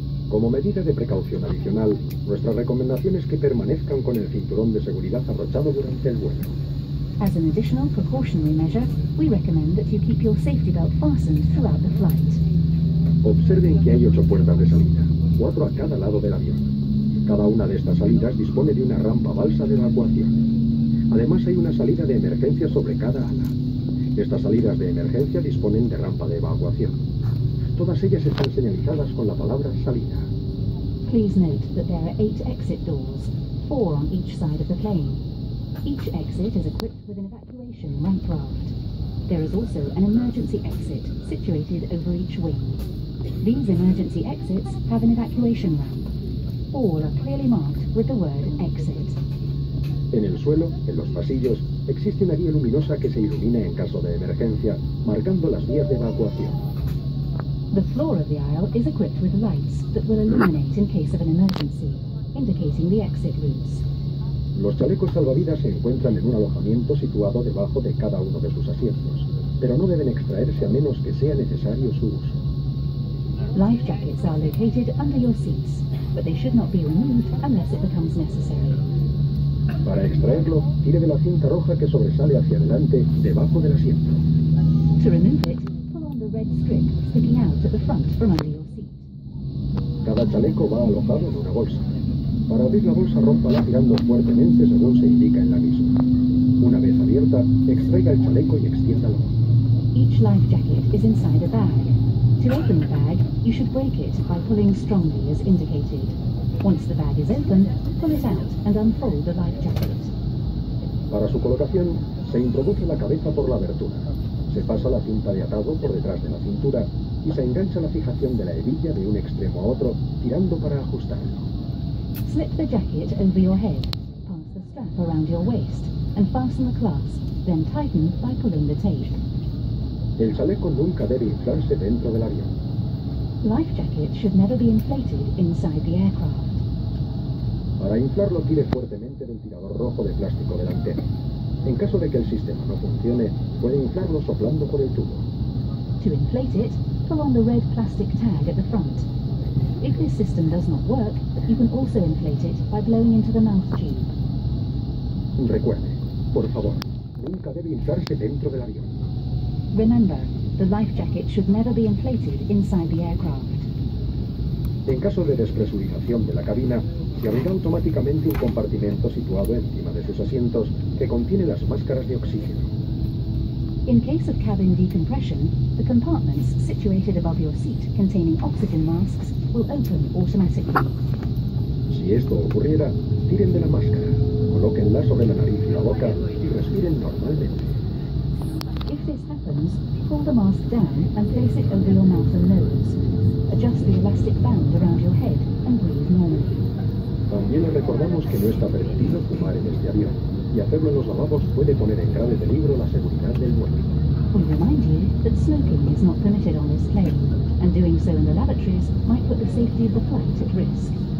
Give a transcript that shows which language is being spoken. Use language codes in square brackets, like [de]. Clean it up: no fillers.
[es] Como medida de precaución adicional, nuestra recomendación es que permanezcan con el cinturón de seguridad abrochado durante el vuelo. [en] As an additional precautionary measure, we recommend that you keep your safety belt fastened throughout the flight. [es] Observen que hay 8 puertas de salida, 4 a cada lado del avión. Cada una de estas salidas dispone de una rampa balsa de evacuación. Además, hay una salida de emergencia sobre cada ala. Estas salidas de emergencia disponen de rampa de evacuación. Todas ellas están señalizadas con la palabra salida. [en] Please note that there are 8 exit doors, 4 on each side of the plane. Each exit is equipped with an evacuation ramp raft. There is also an emergency exit situated over each wing. These emergency exits have an evacuation ramp. All are clearly marked with the word exit. [es] En el suelo, en los pasillos, existe una guía luminosa que se ilumina en caso de emergencia, marcando las vías de evacuación. [en] The floor of the aisle is equipped with lights that will illuminate in case of an emergency, indicating the exit routes. [es] Los chalecos salvavidas se encuentran en un alojamiento situado debajo de cada uno de sus asientos, pero no deben extraerse a menos que sea necesario su uso. [en] Life jackets are located under your seats, but they should not be removed unless it becomes necessary. [es] Para extraerlo, tire de la cinta roja que sobresale hacia adelante, debajo del asiento. [en] To remove it, pull on the red strip sticking out at the front from under your seat. [es] Cada chaleco va alojado en una bolsa. Para abrir la bolsa, rómpala girando fuertemente según se indica en la misma. Una vez abierta, extraiga el chaleco y extiéndalo. [en] Each life jacket is inside a bag. To open the bag, you should break it by pulling strongly as indicated. Once the bag is opened, pull it out and unfold the life jacket. [es] Para su colocación, se introduce la cabeza por la abertura. Se pasa la cinta de atado por detrás de la cintura y se engancha la fijación de la hebilla de un extremo a otro, tirando para ajustarlo. [en] Slip the jacket over your head, pass the strap around your waist and fasten the clasp, then tighten by pulling the tape. [es] El chaleco nunca debe inflarse dentro del avión. [en] Life jackets should never be inflated inside the aircraft. [es] Para inflarlo, tire fuertemente del tirador rojo de plástico delantero. En caso de que el sistema no funcione, puede inflarlo soplando por el tubo. [en] To inflate it, pull on the red plastic tag at the front. If this system does not work, you can also inflate it by blowing into the mouth tube. [es] Recuerde, por favor, nunca debe inflarse dentro del avión. [en] Remember, the life jacket should never be inflated inside the aircraft. [es] En caso de despresurización de la cabina, se abrirá automáticamente un compartimento situado encima de sus asientos que contiene las máscaras de oxígeno. [en] In case of cabin decompression, the compartments situated above your seat containing oxygen masks will open automatically. [es] Si esto ocurriera, tiren de la máscara, colóquenla sobre la nariz y la boca y respiren normalmente. [en] If this happens, pull the mask down and place it over your mouth and nose. Adjust the elastic band around your head and breathe normally. [es] También les recordamos que no está permitido fumar en este avión, y hacerlo en los lavabos puede poner en grave peligro la seguridad del vuelo. [en] We remind you that smoking is not permitted on this plane, and doing so in the lavatories might put the safety of the flight at risk.